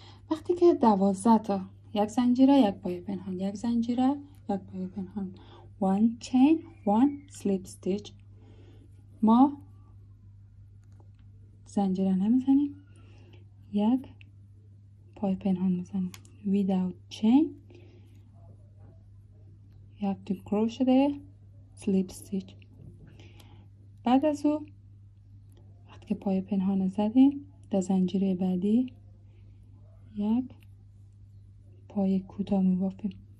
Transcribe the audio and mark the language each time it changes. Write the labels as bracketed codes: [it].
[fa] وقتی که 12 تا یک زنجیره یک پای پنهان، یک زنجیره یک پای پنهان، [en] one chain one slip stitch، [fa] ما زنجیره نمیزنیم، یک پای پنهان میزنیم. [en] Without chain you have to crochet the slip stitch. [fa] بعد از او وقتی که پای پنهان زدیم، در زنجیره بعدی یک پای کوتاه میبافیم.